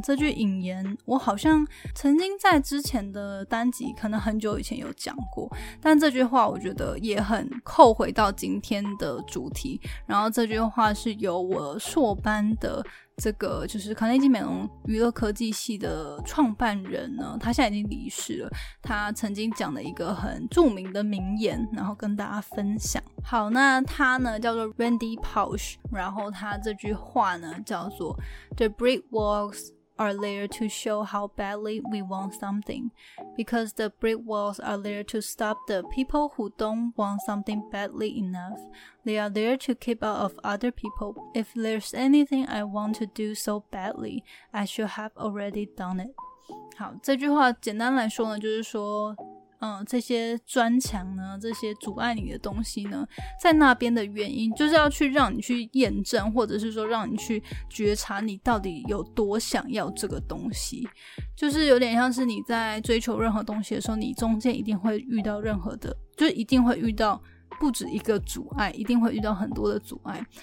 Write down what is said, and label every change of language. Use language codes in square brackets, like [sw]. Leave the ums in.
[zh] 这句引言我好像曾经在之前的单集，可能很久以前有讲过，但这句话我觉得也很扣回到今天的主题。然后这句话是有。有我硕班的这个就是康内基美容娱乐科技系的创办人呢，他现在已经离世了。他曾经讲了一个很著名的名言，然后跟大家分享。好，那他呢叫做 Randy p o s h 然后他这句话呢叫做 [en] The Brick Walls。 are there to show how badly we want something, because the brick walls are there to stop the people who don't want something badly enough. They are there to keep out of other people. If there's anything I want to do so badly, I should have already done it. [zh] 好，这句话简单来说呢，就是说嗯、呃，这些砖墙呢，这些阻碍你的东西呢，在那边的原因，就是要去让你去验证，或者是说让你去觉察，你到底有多想要这个东西。就是有点像是你在追求任何东西的时候，你中间一定会遇到任何的，就是、一定会遇到不止一个阻碍，一定会遇到很多的阻碍。